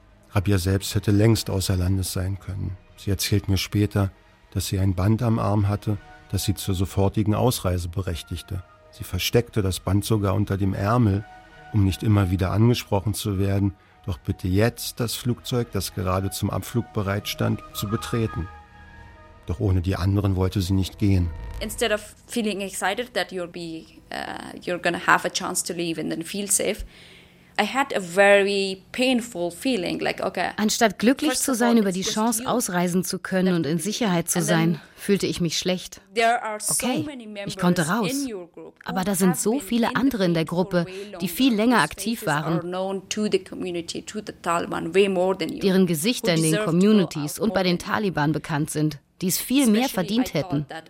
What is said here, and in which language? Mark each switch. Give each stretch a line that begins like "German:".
German: Rabia selbst hätte längst außer Landes sein können. Sie erzählt mir später, dass sie ein Band am Arm hatte, das sie zur sofortigen Ausreise berechtigte. Sie versteckte das Band sogar unter dem Ärmel, um nicht immer wieder angesprochen zu werden, doch bitte jetzt das Flugzeug, das gerade zum Abflug bereit stand, zu betreten. Doch ohne die anderen wollte sie nicht gehen.
English: Instead of feeling excited that you're gonna have a chance to leave and then feel safe, I had a very painful feeling, like, okay.
German: Anstatt glücklich zu sein über die Chance, ausreisen zu können und in Sicherheit zu sein, fühlte ich mich schlecht. Okay, ich konnte raus. Aber da sind so viele andere in der Gruppe, die viel länger aktiv waren, deren Gesichter in den Communities und bei den Taliban bekannt sind, die es viel mehr verdient hätten.